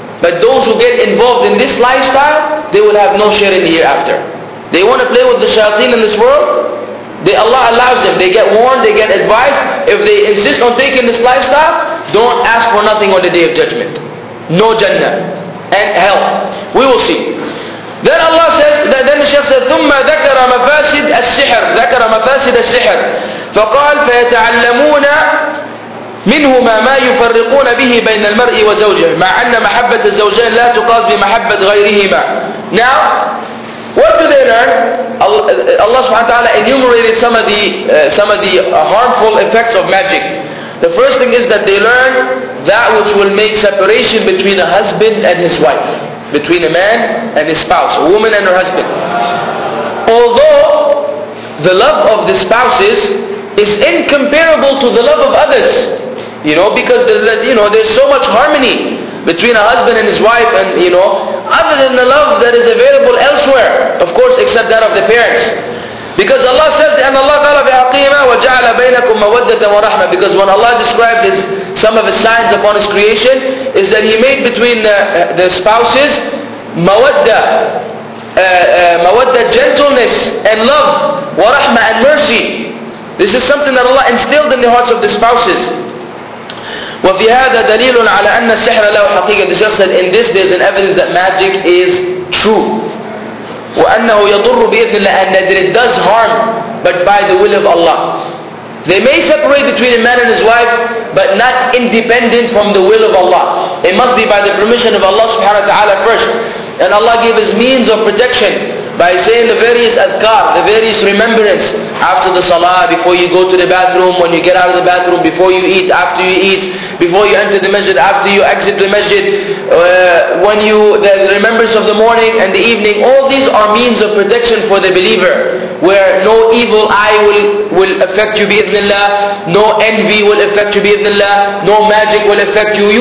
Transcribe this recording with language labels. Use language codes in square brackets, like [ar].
[en] But those who get involved in this lifestyle, they will have no share in the hereafter. They want to play with the shayateen in this world, Allah allows them. They get warned, they get advice. If they insist on taking this lifestyle, don't ask for nothing on the day of judgment. No Jannah and hell. We will see. Then Allah says, then the Shaykh says, [ar] ثُمَّ ذَكَرَ مَفَاسِدَ السِّحْرِ ذَكَرَ مَفَاسِدَ السِّحْرِ فَقَالْ فَيَتَعَلَّمُونَ منهما ما يفرقون به بين المرء وزوجه مع أن محبة الزوجين لا تقاس بمحبة غيرهما. [en] Now, what do they learn? Allah سبحانه وتعالى enumerated some of the harmful effects of magic. The first thing is that they learn that which will make separation between a husband and his wife, between a man and his spouse, a woman and her husband. Although the love of the spouses is incomparable to the love of others, you know, because there's so much harmony between a husband and his wife, and you know, other than the love that is available elsewhere, of course, except that of the parents. Because Allah says, and Allah Ta'ala bi aqima wa ja'ala baynakum mawaddatan wa rahma. Because when Allah described this, some of His signs upon His creation, is that He made between the spouses mawadda, mawadda, gentleness and love, wa rahma, and mercy. This is something that Allah instilled in the hearts of the spouses. [ar] وفي هذا دليل على أن السحر له حقيقة. [en] The Shaykh said, in this there is an evidence that magic is true. [ar] وأنه يضر بإذن الله, [en] and that it does harm, but by the will of Allah. They may separate between a man and his wife, but not independent from the will of Allah. It must be by the permission of Allah subhanahu wa ta'ala first. And Allah gave His means of protection by saying the various adhkar, the various remembrance after the salah, before you go to the bathroom, when you get out of the bathroom, before you eat, after you eat, before you enter the masjid, after you exit the masjid, when you, the remembrance of the morning and the evening, all these are means of protection for the believer, where no evil eye will affect you bi-idhnillah, no envy will affect you bi-idhnillah, no magic will affect you.